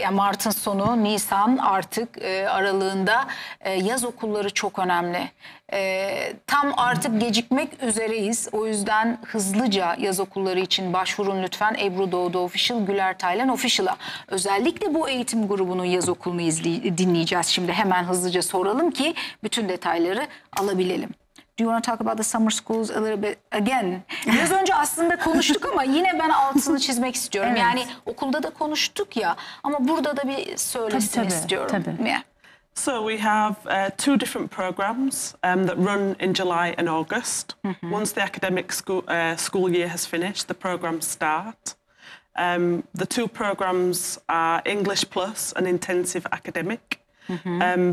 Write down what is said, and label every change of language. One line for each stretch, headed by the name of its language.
Turkish: Yani Mart'ın sonu, Nisan artık aralığında yaz okulları çok önemli. Tam artık gecikmek üzereyiz. O yüzden hızlıca yaz okulları için başvurun lütfen Ebru Doğdu Official, Güler Taylan Official'a. Özellikle bu eğitim grubunun yaz okulunu dinleyeceğiz şimdi. Hemen hızlıca soralım ki bütün detayları alabilelim.
English: Do you want to talk about the summer schools a little bit again?
Turkish: Biraz önce aslında konuştuk ama yine ben altını çizmek istiyorum. Evet. Yani okulda da konuştuk ya ama burada da bir söylesin istiyorum. Tabii.
English: Yeah. So we have two different programs that run in July and August. Mm-hmm. Once the academic school year has finished, the programs start. The two programs are English Plus and Intensive Academic. Mm-hmm.